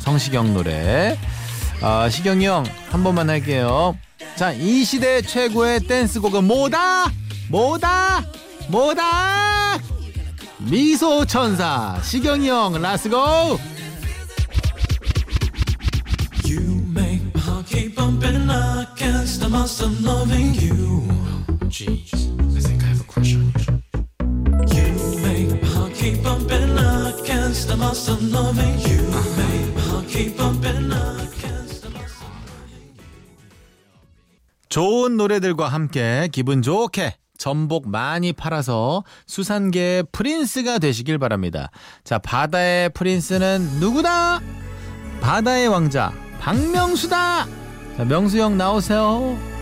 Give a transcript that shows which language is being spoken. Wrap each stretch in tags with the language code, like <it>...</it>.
<ko>성시경 노래. 시경이 형 한 번만 할게요. 자, 이 시대 최고의 댄스곡은 뭐다? 뭐다? 뭐다? 미소 천사 시경이 형</ko> <en>Let's go. You make my heart keep bumping and I can't stop myself loving you. Jeez, I think I have a crush on you. You make my heart keep bumping, I can't stop myself loving you. You make my heart keep bumping, I can't stop myself loving you.</en> <ko>좋은 노래들과 함께 기분 좋게 전복 많이 팔아서 수산계의 프린스가 되시길 바랍니다. 자, 바다의 프린스는 누구다? 바다의 왕자 박명수다. 자, 명수 형 나오세요.</ko>